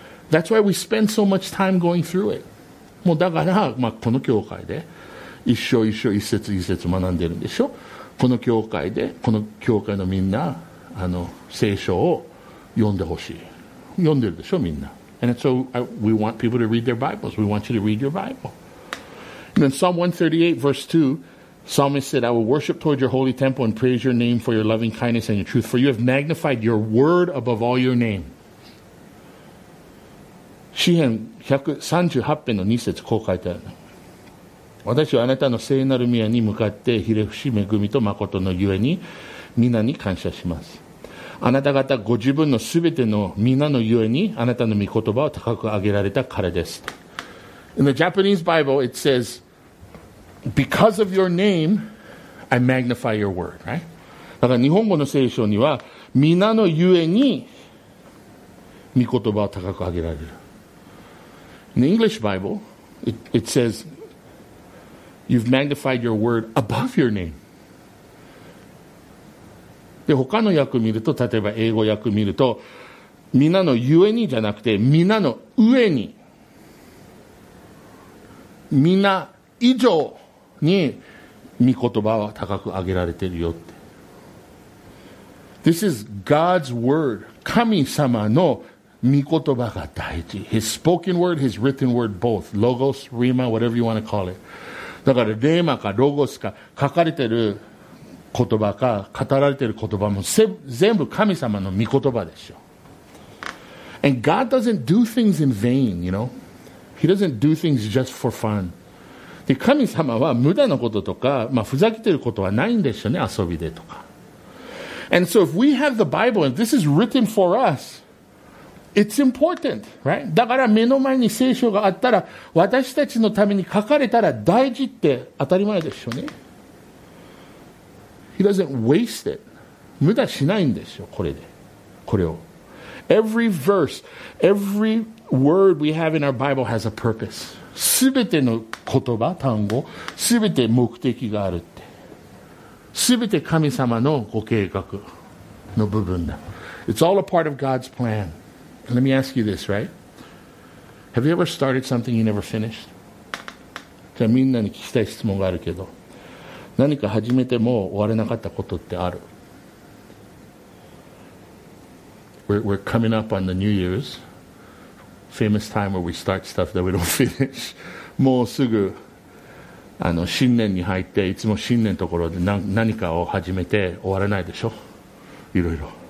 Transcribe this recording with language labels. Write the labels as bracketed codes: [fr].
[en] That's why we spend so much time going through it. [ja] もうだから、まあ、この教会で一章一章一節一節学んでるんでしょ。この教会でこの教会のみんな、あの聖書を読んでほしい、読んでるでしょみんな。 [en] And so we want people to read their Bibles. We want you to read your Bible. And then Psalm 138 verse 2Psalmist said, I will worship toward your holy temple and praise your name for your loving kindness and your truth, for you have magnified your word above all your name. [ja] 詩篇138篇の2節こう書いてある。私はあなたの聖なる宮に向かってひれ伏し、恵みと誠のゆえに皆に感謝します。あなた方ご自分のすべての皆のゆえにあなたの御言葉を高く上げられたからです。 [en] In the Japanese Bible it saysBecause of your name, I magnify your word, right? [ja] だから日本語の聖書には皆のゆえに御言葉を高く上げられる。 [en] In the English Bible, it says, you've magnified your word above your name. [ja] で、他の訳見ると、例えば英語訳見ると、みんなのゆえにじゃなくて、みんなの上に、みんな以上に御言葉は高く上げられているよって。 [en] This is God's word. [ja] 神様の御言葉が大事。 [en] His spoken word, His written word, both. Logos, Rhema, whatever you want to call it. [ja] だから、レーマかロゴスか書かれている言葉か語られている言葉も全部神様の御言葉でしょ。 [en] And God doesn't do things in vain, you know. He doesn't do things just for fun. [ja] で、神様は無駄なこととか、まあ、ふざけてることはないんでしょうね、遊びでとか。 [en] And so if we have the Bible and this is written for us, it's important, right? [ja] だから目の前に聖書があったら、私たちのために書かれたら大事って当たり前でしょうね。 [en] He doesn't waste it. [ja] 無駄しないんでしょう、これで。これを。 [en] Every verse, every word we have in our Bible has a purpose. [ja] すべての言葉、単語、すべて目的があるって。すべて神様のご計画の部分だ。 [en] It's all a part of God's plan. Let me ask you this, right? Have you ever started something you never finished? [ja] じゃあみんなに聞きたい質問があるけど、何か始めても終われなかったことってある？ [en] We're coming up on the New Year's famous time where we start stuff that we don't finish. [ja] もうすぐあの新年に入って、いつも新年のところで何かを始めて終わらないでしょ。いろいろ。